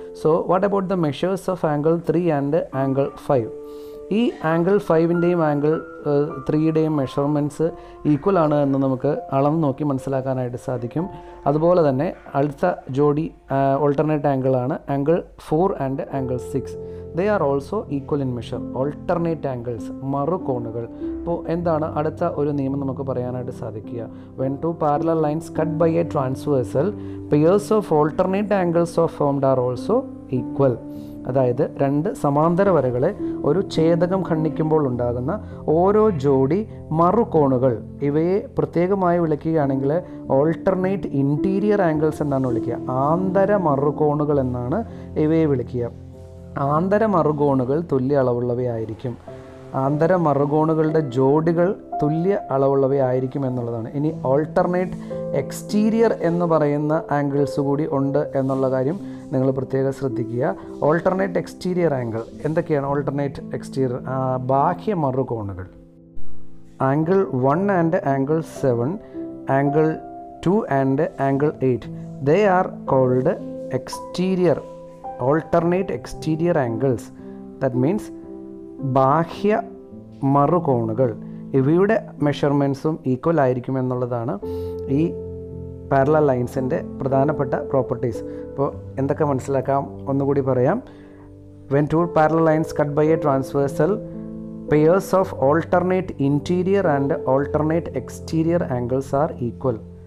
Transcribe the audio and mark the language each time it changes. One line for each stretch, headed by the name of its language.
English: So what about the measures of angle 3 and angle 5?
Malayalam: ഈ angle 5-ൻ്റെയും angle 3-ൻ്റെയും measurements equal ആണ് എന്ന് നമുക്ക് അളന്ന് നോക്കി മനസ്സിലാക്കാനായിട്ട് സാധിക്കും. അതുപോലെ തന്നെ അടുത്ത ജോഡി alternate ആംഗിളാണ് angle 4 and angle 6.
English: They are also equal in measure. Alternate angles, മറുകോണുകൾ.
Malayalam: അപ്പോൾ എന്താണ് അടുത്ത ഒരു നിയമം നമുക്ക് പറയാനായിട്ട് സാധിക്കുക?
English: When two parallel lines cut by a transversal, pairs of alternate angles of formed are also equal.
Malayalam: അതായത് രണ്ട് സമാന്തര വരകളെ ഒരു ഛേദകം ഖണ്ഡിക്കുമ്പോൾ ഉണ്ടാകുന്ന ഓരോ ജോഡി മറുകോണുകൾ, ഇവയെ പ്രത്യേകമായി വിളിക്കുകയാണെങ്കിൽ ഓൾട്ടർനേറ്റ് ഇൻറ്റീരിയർ ആംഗിൾസ് എന്നാണ് വിളിക്കുക. ആന്തര മറുകോണുകൾ എന്നാണ് ഇവയെ വിളിക്കുക. ആന്തരമറുകോണുകൾ തുല്യ അളവുള്ളവയായിരിക്കും. ആന്തരമറുകോണുകളുടെ ജോഡികൾ തുല്യ അളവുള്ളവയായിരിക്കും എന്നുള്ളതാണ്. ഇനി ഓൾട്ടർനേറ്റ് എക്സ്റ്റീരിയർ എന്ന് പറയുന്ന ആംഗിൾസ് കൂടി ഉണ്ട് എന്നുള്ള കാര്യം നിങ്ങൾ പ്രത്യേകം ശ്രദ്ധിക്കുക. ഓൾട്ടർനേറ്റ് എക്സ്റ്റീരിയർ ആംഗിൾ എന്തൊക്കെയാണ്? ഓൾട്ടർനേറ്റ് എക്സ്റ്റീരിയർ ബാഹ്യ മറുകോണുകൾ angle 1 and angle 7, angle 2
English: 2 and angle 8. They are called exterior, alternate exterior angles. That means,
Malayalam: ബാഹ്യ മറുകോണുകൾ. ഇവയുടെ മെഷർമെൻസും ഈക്വൽ ആയിരിക്കും എന്നുള്ളതാണ് ഈ പാരലൽ ലൈൻസിൻ്റെ പ്രധാനപ്പെട്ട പ്രോപ്പർട്ടീസ്. അപ്പോൾ എന്തൊക്കെ മനസ്സിലാക്കാം ഒന്നുകൂടി പറയാം.
English: When two parallel lines cut by a transversal pairs of alternate interior and alternate exterior angles are equal.